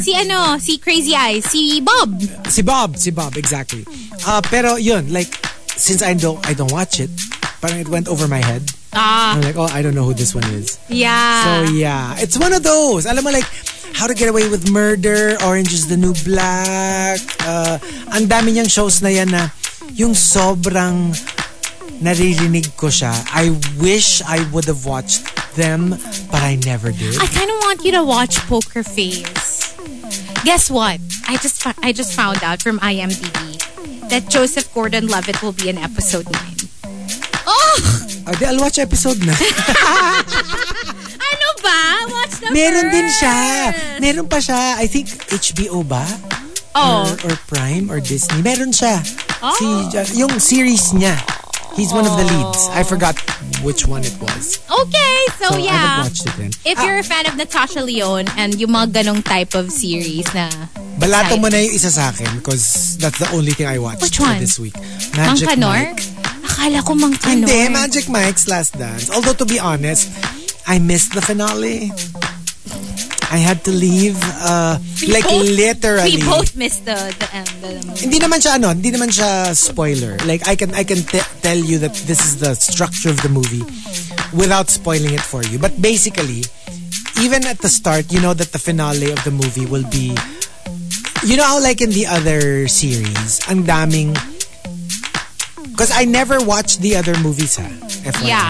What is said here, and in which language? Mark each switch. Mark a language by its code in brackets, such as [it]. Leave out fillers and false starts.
[tl] Si ano, si Crazy Eyes, si Bob. Si Bob, exactly. Pero yun, [en] like, since I don't watch it, parang it went over my head. Ah. I'm like, oh, I don't know who this one is. Yeah. So, yeah. It's one of those. [tl] Alam mo, like, How to Get Away with Murder, Orange is the New Black. Ang dami niyang shows na yan na yung sobrang naririnig ko siya. [en] I wish I would have watched them, but I never did. I kind of want you to watch Poker Face. Guess what? I just found out from IMDb that Joseph Gordon-Levitt will be in episode 9. Oh! Okay, I'll watch episode 9. [tl] Ano ba? [en] Watch the [tl] Meron Din siya. Meron pa siya. [en] I think [tl] HBO ba? Oh. [en] Or Prime or Disney. [tl] Meron siya. [en] Oh. Si, [tl] yung series niya. [en] He's one of the leads. I forgot which one it was. Okay, so yeah. I haven't watched it then. If you're a fan of Natasha Lyonne and [tl] yung mga ganong [en] type of series na... [tl] Balato mo na yung isa sa akin [en] because that's the only thing I watched this week. [tl] Magic Mike. Mangkanor? Akala ko Mangkanor. Hindi, Magic Mike's Last Dance. [en] Although to be honest, I missed the finale. I had to leave literally. We both missed the end. [tl] Hindi naman siya ano, hindi naman siya spoiler. [en] Like I can tell you that this is the structure of the movie without spoiling it for you. But basically, even at the start, you know that the finale of the movie will be, you know how like in the other series, [tl] ang daming, [en] because I never watched the other movies, ha, FYI.